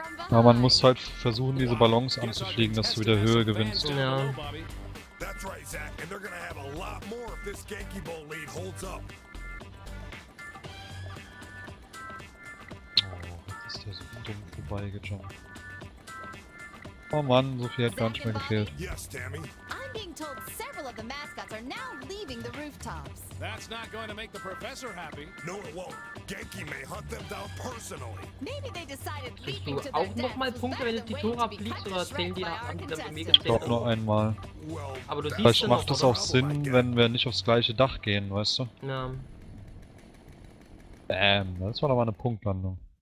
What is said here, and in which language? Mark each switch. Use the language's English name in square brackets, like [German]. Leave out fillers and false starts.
[German] Ja, man muss halt versuchen, diese Ballons anzufliegen, dass du wieder Höhe gewinnst. Ja. [English] That's right, Zach, and they're gonna have a lot more if this Genki Bowl lead holds up. [German] Oh, jetzt ist der so dumm vorbeigejumpt. Oh Mann, so viel hat gar nicht mehr gefehlt. [English] Yes, Tammy. I'm being told several of the mascots are now leaving the rooftops. That's not going to make the professor happy. No, it won't. Genki may hunt them down personally. Maybe they decided leaping to the death. [German] Auch noch mal Punkte, wenn du die Tora fliegst oder zählen die an dem Mega Stage. Doch nur einmal. Aber du siehst, vielleicht macht das auch Sinn, wenn wir nicht aufs gleiche Dach gehen, weißt du? Ja. Bam, das war doch mal eine Punktlandung.